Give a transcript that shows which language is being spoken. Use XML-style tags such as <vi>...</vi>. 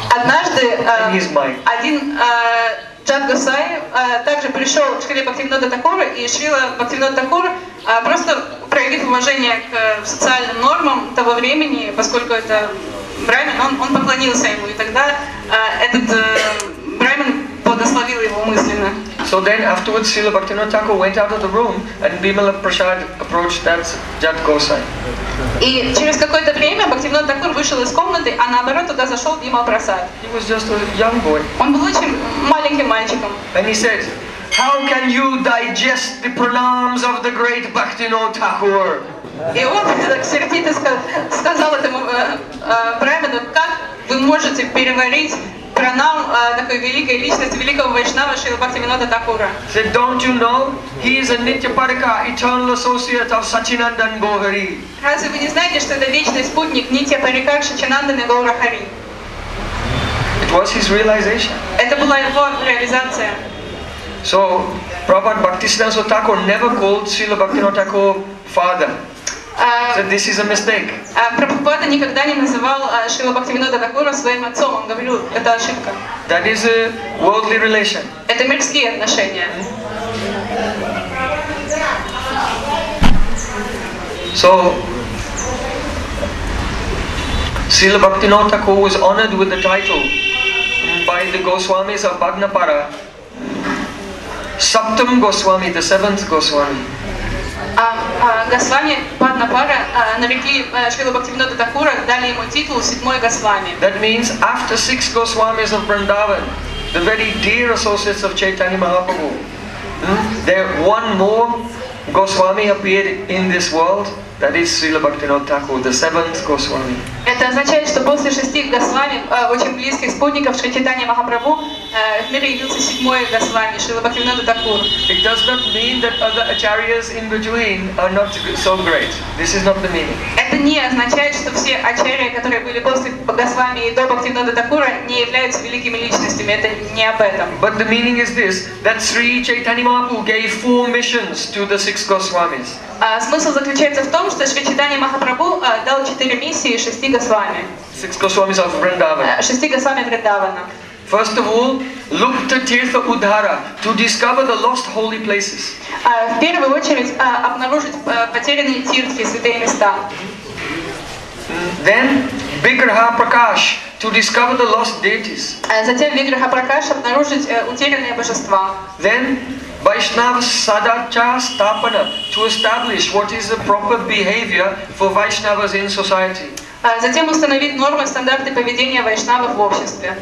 <ru>Один Джат Госвами также пришел к Шриле Бхактивинода Такура, и Шрила Бхактивинода Такура просто проявив уважение к социальным нормам того времени, поскольку это брамин, он поклонился ему, и тогда этот брамин благословил его мысленно.</ru> <en>So then afterwards Srila Bhaktivinoda Thakura went out of the room and Bimala Prasad approached that Jat Gosai.</en> <ru>И через какое-то время Бхактивинода Такур вышел из комнаты, а наоборот туда зашел Бимала Прасад.</ru> <en>He was just a young boy.</en> <ru>Он был очень маленьким мальчиком.</ru> <en>And he said, how can you digest the pranams of the great Bhaktivinoda Thakur?</en> <ru>И он так сердито сказал этому брамину, как вы можете переварить пранам такой великой личности, великого вайшнава Шрилы Бхактивинода Такура.</ru> <en>Said, don't you know, he is a Nityaparika, eternal associate of Sachinandan Gohari.</en> <ru>Разве вы не знаете, что это вечный спутник Нитья-парика Шачинандан и Гоурахари?</ru> <en>It was his realization.</en> <ru>Это была его реализация.</ru> <en>So, Prabhupada Bhaktisiddhanta Thakur never called Srila Bhaktivinoda Thakur father. So this is a mistake.</en> <ru>Прабхупада никогда не называл Шрилу Бхактивинода Такура своим отцом. Он говорил, это ошибка.</ru> <en>That is a worldly relation.</en> <ru>Это мирские отношения.</ru> <en>So, Srila Bhaktivinoda Thakur was honored with the title by the Goswamis of Bhagnapara. Saptam Goswami, the seventh Goswami.</en> <ru>Госвами Паднапара нарекли Шрилу Бхактивинода Такура, дали ему титул седьмой Госвами.</ru> <en>That means after six Goswamis of Vrindavan, the very dear associates of Chaitanya Mahaprabhu, there one more Goswami appeared in this world, that is Srila Bhaktivinoda Thakur, the seventh Goswami.</en> <ru>Это означает, что после шести Госвами, очень близких спутников Шри Чайтанья Махапрабху, в мире явился седьмой Госвами, Шрила Бхактивинода Такур.</ru> <en>It does not mean that other Acharyas in between are not so great. This is not the meaning.</en> <ru>Это не означает, что все Ачарьи, которые были после Госвами и до Бхактивинода Такура, не являются великими личностями. Это не об этом.</ru> <en>But the meaning is this, that Sri Chaitanya Mahaprabhu gave four missions to the six Goswamis.</en> <ru>Смысл заключается в том, что Шри Чайтанья Махапрабху дал четыре миссии шести Госвами.</ru> <en>Six Goswamis of Vrindavan.</en> <ru>Шести Госвами Вриндавана.</ru> <en>First of all, look to Tirtha Udhara to discover the lost holy places.</en> <ru>В первую очередь обнаружить потерянные тиртхи, святые места.</ru> <en>Then Vigraha Prakash to discover the lost deities.</en> <ru>Затем Vigraha Prakash обнаружить утерянные божества.</ru> <en>Then Vaishnava Sadacha Stapana to establish what is the proper behavior for Vaishnavas in society.</en> <ru>Затем установить нормы, стандарты поведения вайшнавов в обществе.</ru>